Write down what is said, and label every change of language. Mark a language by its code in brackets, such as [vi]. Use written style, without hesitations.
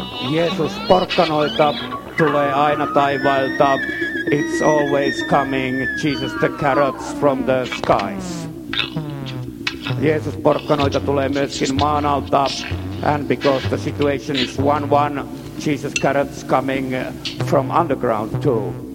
[fi] Jeesus, porkkanoita tulee aina taivailta. [en] It's always coming, Jesus, the carrots from the skies. [fi] Jeesus, porkkanoita tulee myöskin maan alta. [en] And because the situation is 1-1, Jesus, carrots coming from underground too.